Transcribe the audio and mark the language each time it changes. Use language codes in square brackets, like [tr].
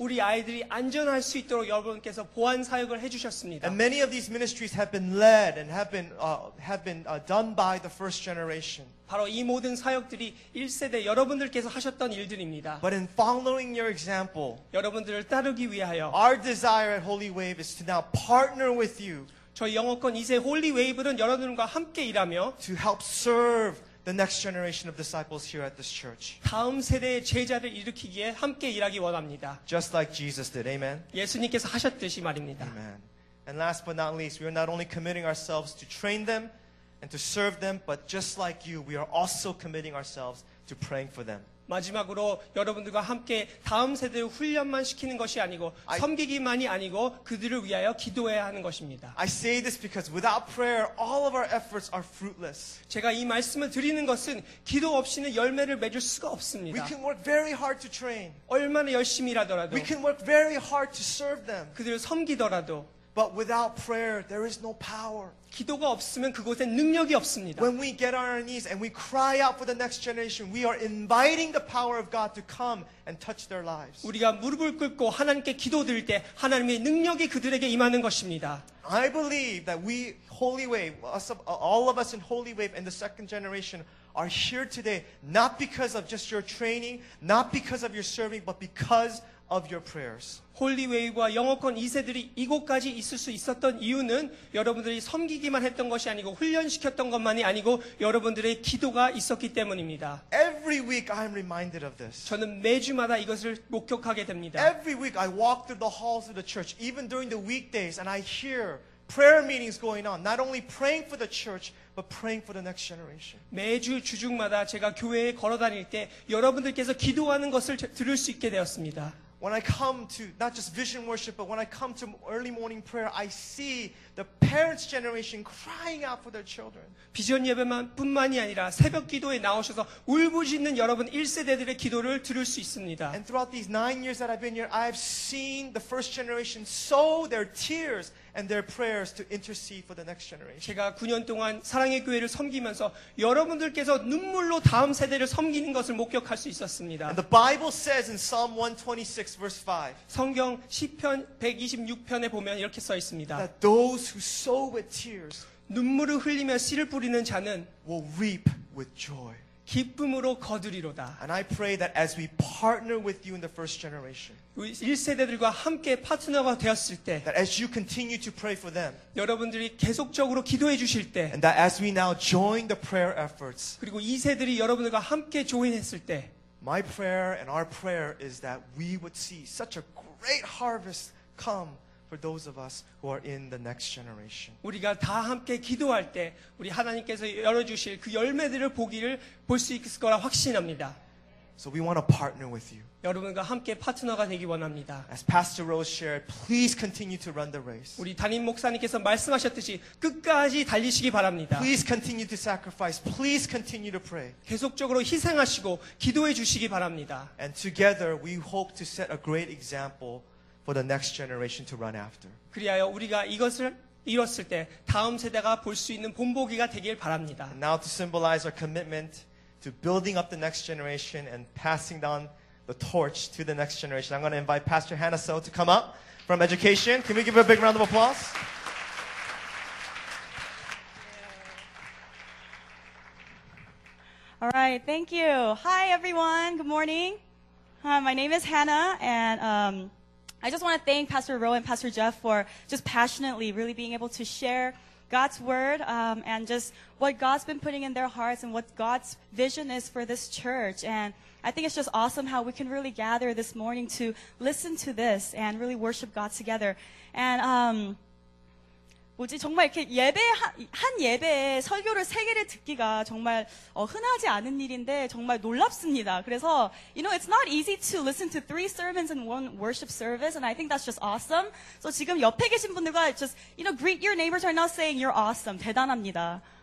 [ko] 우리 아이들이 안전할 수 있도록 여러분께서 보안 사역을 해 주셨습니다. [en] And many of these ministries have been led and have been done by the first generation. [ko] 바로 이 모든 사역들이 1세대 여러분들께서 하셨던 일들입니다. [en] But in following your example. [ko] 여러분들을 따르기 위하여 [en] our desire at Holy Wave is to now partner with you. [ko] 저희 영어권 2세 홀리 웨이브는 여러분과 함께 일하며 [en] to help serve the next generation of disciples here at this church. [ko] 다음 세대의 제자를 일으키기에 함께 일하기 원합니다. [en] Just like Jesus did. Amen. [ko] 예수님께서 하셨듯이 말입니다. [en] Amen. And last but not least, we are not only committing ourselves to train them and to serve them, but just like you, we are also committing ourselves to praying for them. [ko] 마지막으로 여러분들과 함께 다음 세대의 훈련만 시키는 것이 아니고 섬기기만이 아니고 그들을 위하여 기도해야 하는 것입니다. [en] I say this because without prayer, all of our efforts are fruitless. [ko] 제가 이 말씀을 드리는 것은 기도 없이는 열매를 맺을 수가 없습니다. [en] We can work very hard to train. [ko] 얼마나 열심히 일하더라도 [en] We can work very hard to serve them. [ko] 그들을 섬기더라도 [en] But without prayer, there is no power. [ko] 기도가 없으면 그곳에 능력이 없습니다. [en] When we get on our knees and we cry out for the next generation, we are inviting the power of God to come and touch their lives. [ko] 우리가 무릎을 꿇고 하나님께 기도드릴 때 하나님의 능력이 그들에게 임하는 것입니다. [en] I believe that we, Holy Wave, all of us in Holy Wave and the second generation are here today not because of just your training, not because of your serving, but because of your prayers. [ko] 홀리웨이와 영어권 2세들이 이곳까지 있을 수 있었던 이유는 여러분들이 섬기기만 했던 것이 아니고 훈련시켰던 것만이 아니고 여러분들의 기도가 있었기 때문입니다. [en] Every week I am reminded of this. [ko] 저는 매주마다 이것을 목격하게 됩니다. [en] Every week I walk through the halls of the church even during the weekdays and I hear prayer meetings going on. Not only praying for the church but praying for the next generation. [ko] 매주 주중마다 제가 교회에 걸어 다닐 때 여러분들께서 기도하는 것을 들을 수 있게 되었습니다. [en] When I come to not just vision worship, but when I come to early morning prayer, I see the parents' generation crying out for their children. [ko] 비전 예배만뿐만이 아니라 새벽 기도에 나오셔서 울부짖는 여러분 1세대들의 기도를 들을 수 있습니다. [en] And throughout these 9 years that I've been here, I've seen the first generation sow their tears and their prayers to intercede for the next generation. [ko] 제가 9년 동안 사랑의 교회를 섬기면서 여러분들께서 눈물로 다음 세대를 섬기는 것을 목격할 수 있었습니다. [en] And the Bible says in Psalm 126 verse 5. [ko] 성경 시편 126편에 보면 이렇게 써 있습니다. [en] That those who sow with tears [ko] 눈물을 흘리며 씨를 뿌리는 자는 [en] will reap with joy. [ko] 기쁨으로 거두리로다. [en] And I pray that as we partner with you in the first generation, [ko] 1세대들과 함께 파트너가 되었을 때, [en] that as you continue to pray for them, [ko] 여러분들이 계속적으로 기도해 주실 때, [en] and that as we now join the prayer efforts, [ko] 그리고 2세들이 여러분들과 함께 조인했을 때, [en] my prayer and our prayer is that we would see such a great harvest come for those of us who are in the next generation. [ko] 우리가 다 함께 기도할 때 우리 하나님께서 열어 주실 그 열매들을 보기를 볼 수 있을 거라 확신합니다. [en] So we want to partner with you. [ko] 여러분과 함께 파트너가 되기 원합니다. [en] As Pastor Rose shared, please continue to run the race. [ko] 우리 담임 목사님께서 말씀하셨듯이 끝까지 달리시기 바랍니다. [en] Please continue to sacrifice. Please continue to pray. [ko] 계속적으로 희생하시고 기도해 주시기 바랍니다. [en] And together we hope to set a great example for the next generation to run after. [ko] 그리하여 우리가 이것을 이뤘을 때 다음 세대가 볼 수 있는 본보기가 되길 바랍니다. [en] Now to symbolize our commitment to building up the next generation and passing down the torch to the next generation. I'm going to invite Pastor Hannah So to come up from education. Can we give her a big round of applause? All right, thank you. Hi, everyone. Good morning. My name is Hannah, and I just want to thank Pastor Roe and Pastor Jeff for just passionately really being able to share God's word and just what God's been putting in their hearts and what God's vision is for this church. And I think it's just awesome how we can really gather this morning to listen to this and really worship God together. And [ko] 뭐지 정말 이렇게 예배 한 예배에 설교를 세 개를 듣기가 정말 흔하지 않은 일인데 정말 놀랍습니다. 그래서 [en] you know it's not easy to listen to three sermons in one worship service, and I think that's just awesome. So [ko] 지금 옆에 계신 분들과 [en] just you know greet your neighbors right now, saying you're awesome, [ko] 대단합니다.